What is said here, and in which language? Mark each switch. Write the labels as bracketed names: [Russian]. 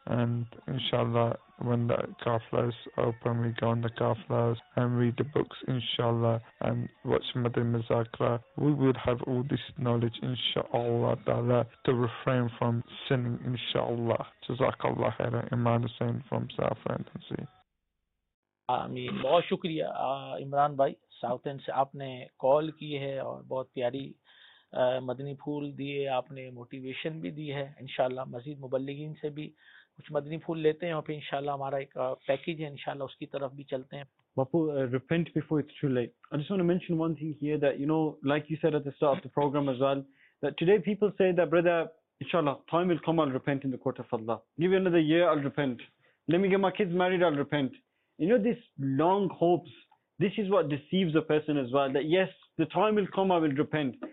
[English] And inshallah, when the kaflas open, we go on the kaflas and read the books, inshallah, and watch Madame Mazakra, we would have all this knowledge, inshallah, ta'ala, to refrain from sinning, inshallah. Jazakallah khairan, Imran Hussain from South Fantasy. [Urdu] آمین. بہت شکریہ عمران بھائی, south and سے آپ نے کال کی ہے اور بہت پیاری مدنی پھول دیے, آپ نے موٹیویشن بھی دی ہے. انشاءاللہ مزید مبلغین سے بھی کچھ مدنی پھول لیتے ہیں اور پھر انشاءاللہ ہمارا ایک پیکیج ہے, انشاءاللہ اس کی طرف بھی چلتے ہیں. [English] Bapu, repent before it's too late. I just want to mention one thing here that, you know, like you said at the start of the program as well, that today people say that, brother, inshallah, time will come, I'll repent in the court of Allah. Give me another year, I'll repent. Let me get my kids married, I'll repent. You know, this long hopes, this is what deceives a person as well, that yes, the time will come, I will repent.